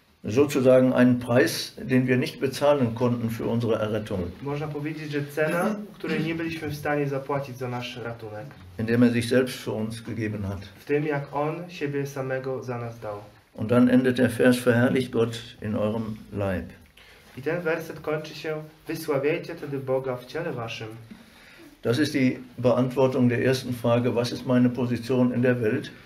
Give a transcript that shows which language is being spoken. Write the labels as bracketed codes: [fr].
[de] Sozusagen einen Preis, den wir nicht bezahlen konnten für unsere Errettung. [pl] Można powiedzieć, że cena, której nie byliśmy w stanie zapłacić za nasz ratunek. [de] Indem er sich selbst für uns gegeben hat. [pl] W tym, jak On siebie samego za nas dał. [de] Und dann endet der Vers, verherrlicht Gott in eurem Leib. [pl] I ten werset kończy się, wysławiajcie tedy Boga w ciele waszym. [de] Das ist die Beantwortung der ersten Frage, was ist meine Position in der Welt?